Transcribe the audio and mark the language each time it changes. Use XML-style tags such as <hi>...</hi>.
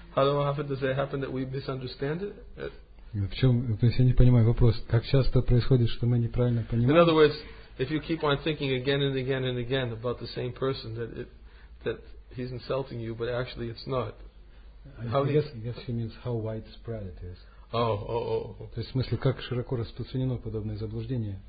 <en>How often does it happen that we misunderstand it?</en> <ru>В чем, то есть я не понимаю вопрос. Как часто происходит, что мы неправильно понимаем?</ru> <en>In other words, if you keep on thinking again and again and again about the same person, that he's insulting you, but actually it's not. I guess he means how widespread it is.</en> <ru>То есть в смысле, как широко распространено подобное заблуждение?</ru>